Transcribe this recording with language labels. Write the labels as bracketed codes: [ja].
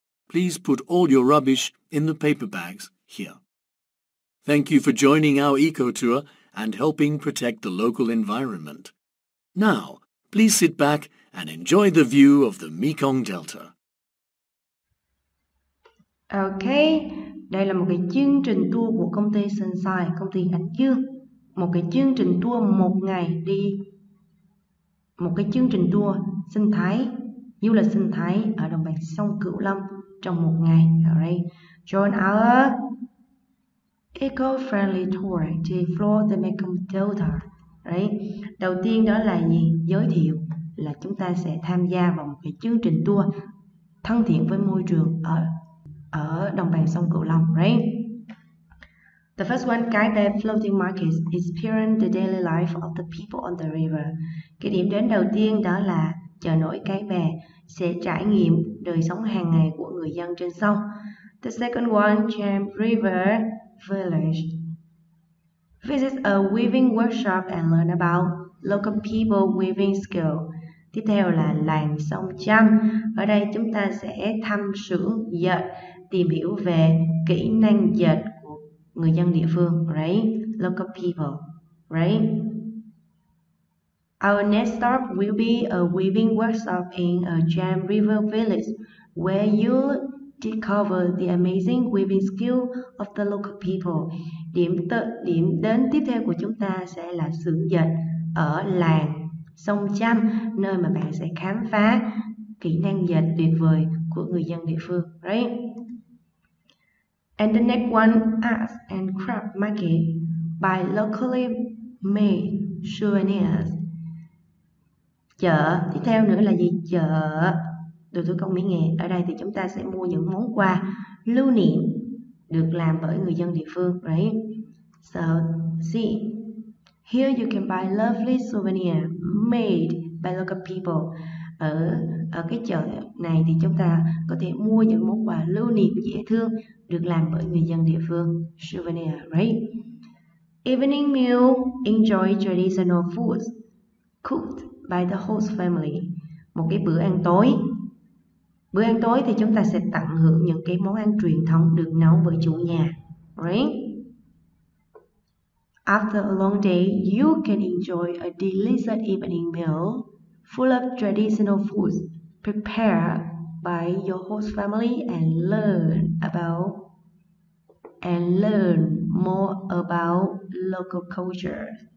[en] Please put all your rubbish in the paper bags here. Thank you for joining our eco tour and helping protect the local environment. Now, please sit back and enjoy the view of the Mekong Delta. [vi] Ok, đây là một cái chương trình tour của công ty Sunshine, công ty ánh dương. Một cái chương trình tour một ngày đi. Một cái chương trình tour sinh thái, du lịch sinh thái ở đồng bằng sông Cửu Long trong một ngày. [en] Alright, join our eco-friendly tour to explore the Mekong Delta, right? [vi] Đầu tiên đó là gì? Giới thiệu là chúng ta sẽ tham gia vào một cái chương trình tour thân thiện với môi trường ở đồng bằng sông Cửu Long, right? [en] The first one, guided floating markets, experience the daily life of the people on the river. [vi] Cái điểm đến đầu tiên đó là chợ nổi Cái Bè, sẽ trải nghiệm đời sống hàng ngày của người dân trên sông. [en] The second one, Cham River Village. Visit a weaving workshop and learn about local people weaving skill. [vi] Tiếp theo là làng sông Cham. Ở đây chúng ta sẽ thăm xưởng dệt, tìm hiểu về kỹ năng dệt của người dân địa phương, right? [en] Local people, right? Our next stop will be a weaving workshop in a Cham River village, where you discover the amazing weaving skill of the local people. [vi] Điểm đến tiếp theo của chúng ta sẽ là xưởng dệt ở làng sông Cham, nơi mà bạn sẽ khám phá kỹ năng dệt tuyệt vời của người dân địa phương, right? [en] And the next one, arts and craft market, by locally made souvenirs. [vi] Chợ tiếp theo nữa là gì? Chợ đồ thủ công mỹ nghệ. Ở đây thì chúng ta sẽ mua những món quà lưu niệm được làm bởi người dân địa phương, right? [en] So see, here you can buy lovely souvenir made by local people. [vi] Ở cái chợ này thì chúng ta có thể mua những món quà lưu niệm dễ thương được làm bởi người dân địa phương, souvenir, right? Evening meal, enjoy traditional foods cooked by the host family. Một cái bữa ăn tối. Bữa ăn tối thì chúng ta sẽ tận hưởng những cái món ăn truyền thống được nấu bởi chủ nhà, right? [en] After a long day, you can enjoy a delicious evening meal full of traditional foods prepared by your host family and learn more about local culture.